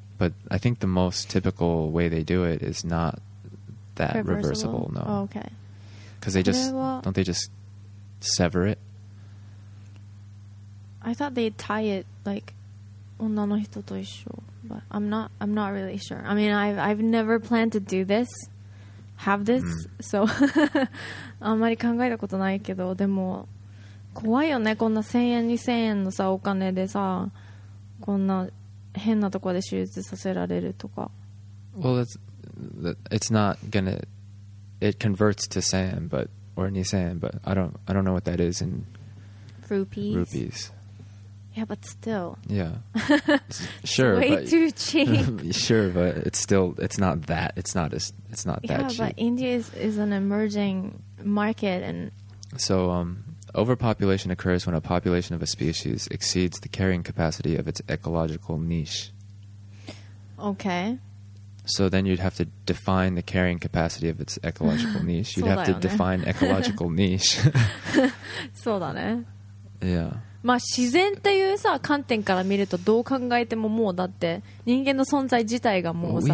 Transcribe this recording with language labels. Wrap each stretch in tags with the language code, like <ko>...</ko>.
<en>But I think the most typical way they do it is not that reversible, no. Oh, okay. Because they just, don't they just sever it? I thought they'd tie it, like,</en> <ja>女の人と一緒。</ja> <en>But I'm not really sure. I mean, I've never planned to do this. Have this?、Mm.</en> <ja>So, あんまり考えたことないけど、でも怖いよね、こんな1000円2000円のさ、お金でさ、こんな変なとこで手術させられるとか。</ja> <en>Well, it's not gonna, it converts to 1000円 but, or 2000円 but I don't know what that is in rupees. Yeah, but still. Yeah. Sure, way but, too cheap. Sure, but it's still, it's not that, it's not, as, it's not that yeah, cheap. Yeah, but India is an emerging market. And so, overpopulation occurs when a population of a species exceeds the carrying capacity of its ecological niche. Okay. So then you'd have to define the carrying capacity of its ecological niche. You'd have to define ecological niche.</en> <ja>そうだね。</ja> <en>Yeah.</en> <ja>まあ、自然っていうさ観点から見るとどう考えてももうだって人間の存在自体がもうさ</ja>